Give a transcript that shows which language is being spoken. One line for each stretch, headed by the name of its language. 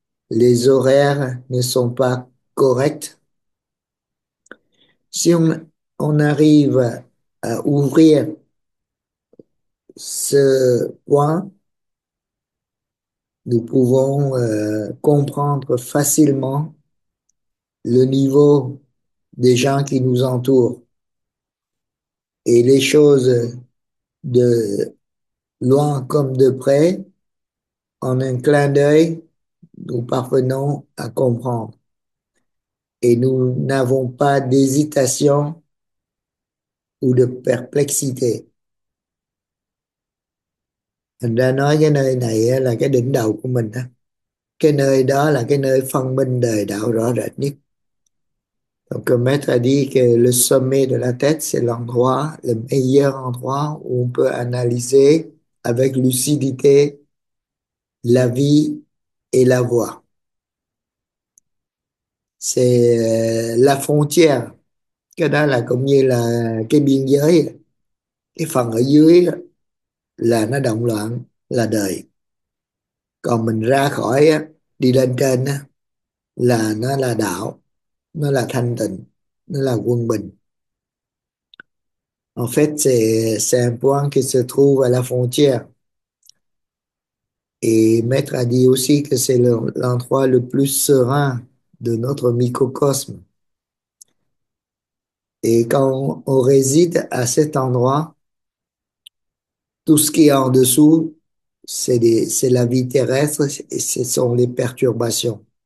French: Les horaires ne sont pas corrects. Si on arrive à ouvrir ce point, nous pouvons comprendre facilement le niveau des gens qui nous entourent et les choses de loin comme de près. En un clin d'œil, nous parvenons à comprendre et nous n'avons pas d'hésitation ou de perplexité.
Vietnamese: Anh ra nói cái nơi này là cái đỉnh đầu của mình đó. Cái nơi đó là cái nơi phân minh đời đạo rõ rệt nhất.
French: Donc, le maître a dit que le sommet de la tête, c'est l'endroit, le meilleur endroit où on peut analyser avec lucidité la vie et la voie. C'est la frontière.
Vietnamese: Cái đó là cũng như là cái biên giới. Cái phần ở dưới đó là nó động loạn, là đời. Còn mình ra khỏi, đi lên trên là nó là đạo, nó là thanh tịnh, nó là quân bình.
French: En fait, c'est un point qui se trouve à la frontière. Et Maître a dit aussi que c'est l'endroit le plus serein de notre microcosme. Et quand on réside à cet endroit, tout ce qui est en dessous, c'est la vie terrestre et ce sont les perturbations.